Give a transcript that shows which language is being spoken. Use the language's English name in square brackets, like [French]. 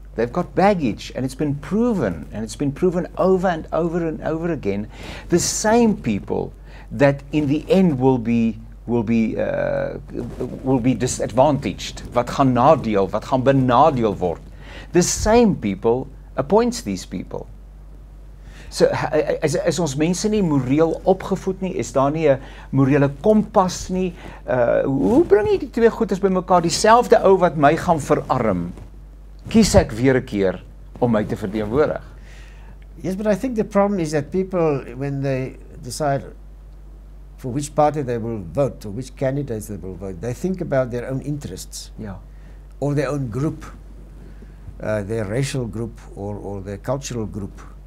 [English] They've got baggage, and it's been proven, over and over and over again, the same people that in the end will be disadvantaged, [Afrikaans] wat gaan benadeel word. [English] The same people appoints these people. [Afrikaans] So is ons mense nie moreel opgevoed nie, is daar nie 'n morele kompas nie, hoe bring jy die twee goeders by mekaar, dieselfde ou wat my gaan verarm, kies ek weer 'n keer om my te verteenwoordig? [English] Yes, but I think the problem is that people, when they decide for which party they will vote, or which candidates they will vote, they think about their own interests, or their own group, their racial group, or their cultural group,